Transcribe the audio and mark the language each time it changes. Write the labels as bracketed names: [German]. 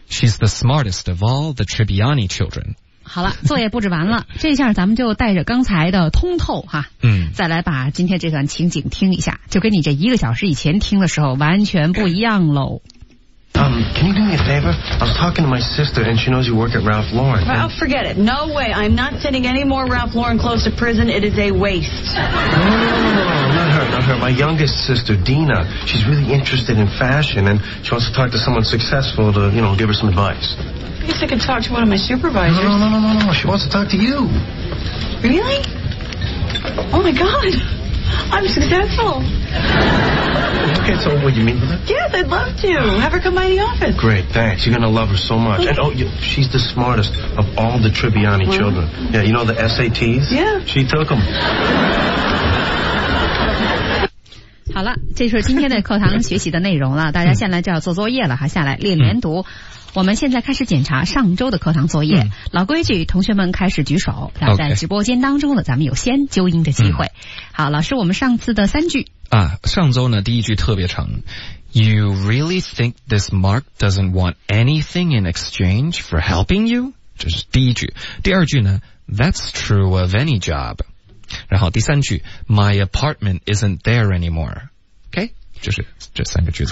[English] She's the smartest of all the Tribbiani children. [Chinese] 好了，作业布置完了，这下咱们就带着刚才的通透哈，再来把今天这段情景听一下，就跟你这一个小时以前听的时候完全不一样喽。 [English] Can you do me a favor? I was talking to my sister, and she knows you work at Ralph Lauren. Oh, forget it. No way. I'm not sending any more Ralph Lauren clothes to prison. It is a waste. No, not her. My youngest sister, Dina, she's really interested in fashion, and she wants to talk to someone successful to, you know, give her some advice. I guess I could talk to one of my supervisors. No. She wants to talk to you. Really? Oh my God, I'm successful. Okay, so will you meet with her? Yes, I'd love to. Have her come by the office. Great, thanks. You're going to love her so much. And, oh, she's the smartest of all the Tribbiani children. Yeah, you know the SATs? Yeah. She took them. [Chinese] 好了，这就是今天的课堂学习的内容了。大家现在就要做作业了哈，下来练连读。我们现在开始检查上周的课堂作业。老规矩，同学们开始举手。在直播间当中呢，咱们有先纠音的机会。好，老师，我们上次的三句。啊，上周呢，第一句特别长。 [English] You really think this Mark doesn't want anything in exchange for helping you? [Chinese] 这是第一句。第二句呢 , [English] That's true of any job. [Chinese] 然后第三句 [English] My apartment isn't there anymore [Chinese] OK 就是这三个句子